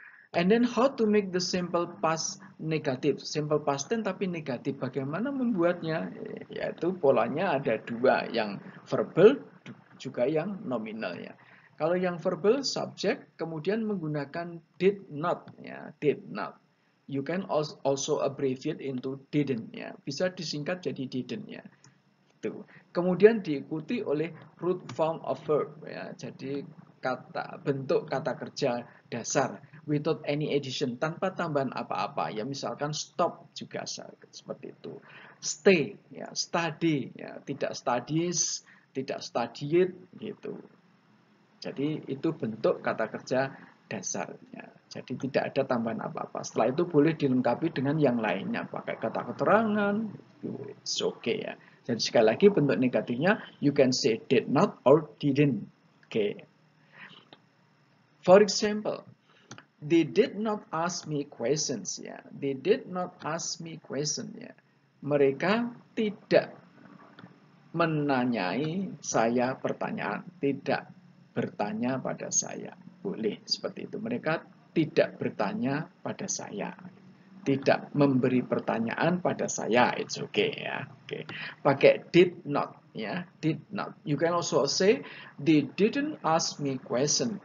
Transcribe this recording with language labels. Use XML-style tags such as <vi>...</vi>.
<en>And then how to make the simple past negative?</en> <id>Simple past tense tapi negatif. Bagaimana membuatnya? Yaitu polanya ada dua, yang verbal juga yang nominal ya. Kalau yang verbal subject kemudian menggunakan</id> <en>did not ya, did not. You can also abbreviate into didn't ya.</en> <id>Bisa disingkat jadi didn't ya. Itu. Kemudian diikuti oleh</id> <en>root form of verb</en> <id>ya. Jadi kata bentuk kata kerja dasar</id> <en>without any addition,</en> <id>tanpa tambahan apa-apa ya, misalkan stop juga seperti itu, stay ya, study ya, tidak studies, tidak studied gitu. Jadi itu bentuk kata kerja dasarnya, jadi tidak ada tambahan apa-apa. Setelah itu boleh dilengkapi dengan yang lainnya, pakai kata keterangan</id> <en>it's okay</en> <id>ya. Jadi sekali lagi bentuk negatifnya</id> <en>you can say did not or didn't. Okay. For example, they did not ask me questions ya. They did not ask me questions ya.</en> <id>Mereka tidak menanyai saya pertanyaan, tidak bertanya pada saya. Boleh seperti itu. Mereka tidak bertanya pada saya. Tidak memberi pertanyaan pada saya.</id> <en>It's okay ya. Oke. Okay.</en> <id>Pakai</id> <en>did not ya, did not. You can also say they didn't ask me question.</en>